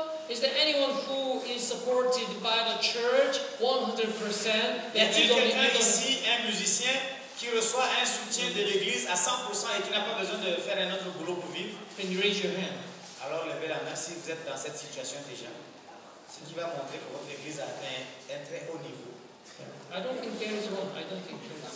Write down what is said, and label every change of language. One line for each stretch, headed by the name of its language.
English: Is there anyone who is supported by the church 100%?
French: Y a-t-il quelqu'un ici, un musicien, qui reçoit un soutien de l'église à 100% et qui n'a pas besoin de faire un autre boulot pour vivre?
English: Can you raise your hand?
French: Alors levez la main si vous êtes dans cette situation déjà. Ce qui va montrer que votre église a atteint un très haut niveau.
English: I don't think there is one. I don't think there is one.